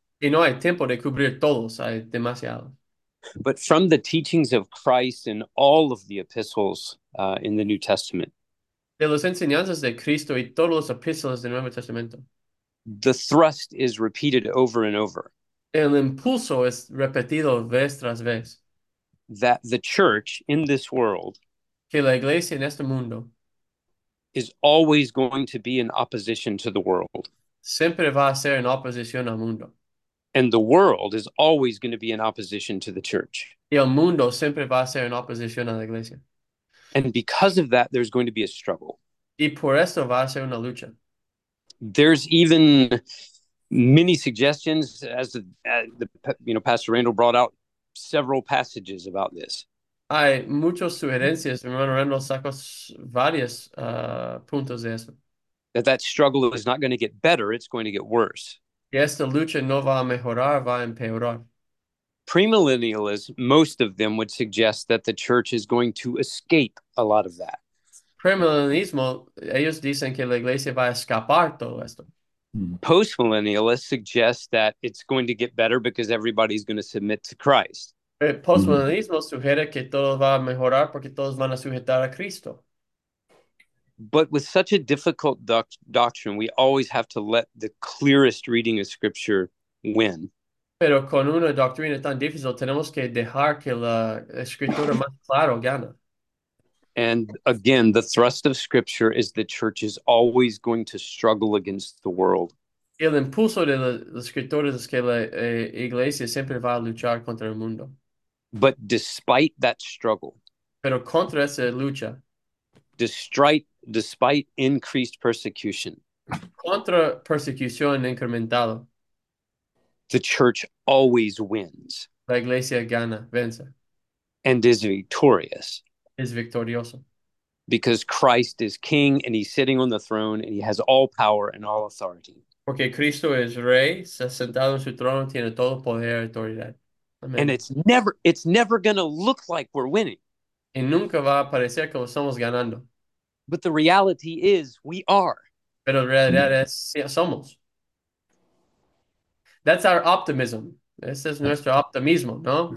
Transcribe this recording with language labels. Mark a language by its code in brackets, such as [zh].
[es] Y no hay tiempo de cubrir todos, hay demasiados. [en] But from the teachings of Christ in all of the epistles in the New Testament, [es] De las enseñanzas de Cristo y todos los epístolas del Nuevo Testamento. [en] the thrust is repeated over and over [es] El impulso es repetido vez tras vez. [en] that the church in this world [es] Que la iglesia en este mundo [en] is always going to be in opposition to the world. [es] siempre va a ser en oposición al mundo. [en] And the world is always going to be in opposition to the church. [es] Y el mundo siempre va a ser en oposición a la iglesia. [en] And because of that, there's going to be a struggle. [es] Y por eso va a ser una lucha. [en] There's even many suggestions, as the Pastor Randall brought out several passages about this. [es] Hay muchas sugerencias, mi hermano Randall sacó varios puntos de eso. [en] That struggle is not going to get better, it's going to get worse. [es] Y esta lucha no va a mejorar, va a empeorar. [en] Premillennialists, most of them would suggest that the church is going to escape a lot of that. [es] Premillennialismo, ellos dicen que la iglesia va a escapar todo esto. [en] Postmillennialists suggest that it's going to get better because everybody's going to submit to Christ. [es] El postmodernismo sugiere que todo va a mejorar porque todos van a sujetar a Cristo. [en] But with such a difficult doctrine, we always have to let the clearest reading of Scripture win. [es] Pero con una doctrina tan difícil, tenemos que dejar que la escritura más clara gane. [en] And again, the thrust of Scripture is the church is always going to struggle against the world. [es] El impulso de los escritores es que la iglesia siempre va a luchar contra el mundo. [en] But despite that struggle, [es] Pero contra esa lucha, [en] despite increased persecution, [es] contra persecución incrementado, [en] the church always wins [es] la iglesia gana, vence, [en] and is victorious. [es] es victorioso. [en] Because Christ is king and he's sitting on the throne and he has all power and all authority. [es] Porque Cristo es rey, se ha sentado en su trono, tiene todo poder y autoridad. [en] And [es] Amén. [en] it's never going to look like we're winning. [es] Y nunca va a parecer como estamos ganando. [en] But the reality is we are. [es] Pero en realidad es sí, somos. [en] That's our optimism. [es] Ese es nuestro optimismo, ¿no?